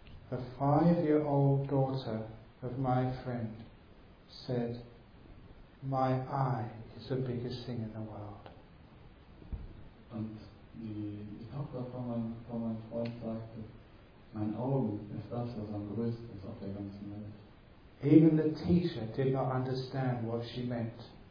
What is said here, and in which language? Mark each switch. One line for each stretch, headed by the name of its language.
English: The 5-year-old daughter of my friend said, my eye is the biggest thing in the world. And the
German: Tochter von meinem Freund sagte, mein Augen ist das, was am größten ist auf der ganzen Welt.
English: Even the teacher did not understand what she meant.